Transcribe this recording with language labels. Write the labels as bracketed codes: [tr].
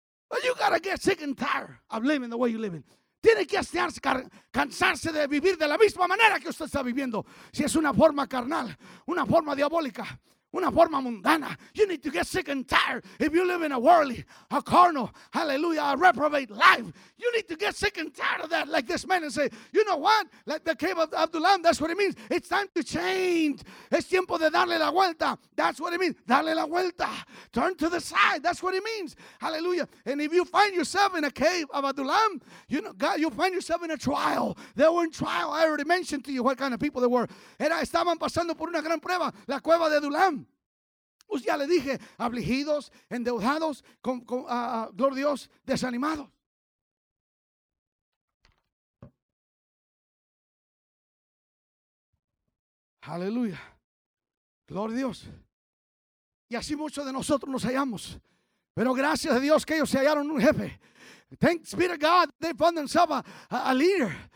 [en] But you gotta get sick and tired of living the way you're living. [es] Tiene que hastiarse, cansarse de vivir de la misma manera que usted está viviendo. Si es una forma carnal, una forma diabólica, una forma mundana. [en] You need to get sick and tired if you live in a worldly, a carnal, hallelujah, a reprobate life. You need to get sick and tired of that, like this man, and say, you know what? Like the cave of Adulam, that's what it means. It's time to change. [es] Es tiempo de darle la vuelta. [en] That's what it means. [es] Darle la vuelta. [en] Turn to the side. That's what it means. Hallelujah. And if you find yourself in a cave of Adulam, you know, God, you find yourself in a trial. They were in trial. I already mentioned to you what kind of people they were. [es] Estaban pasando por una gran prueba, la cueva de Adulam. Pues ya le dije, afligidos, endeudados, gloria a Dios, desanimados. Aleluya, gloria a Dios. Y así muchos de nosotros nos hallamos. Pero gracias a Dios que ellos se hallaron un jefe. [en] Thanks be to God, they found themselves a leader.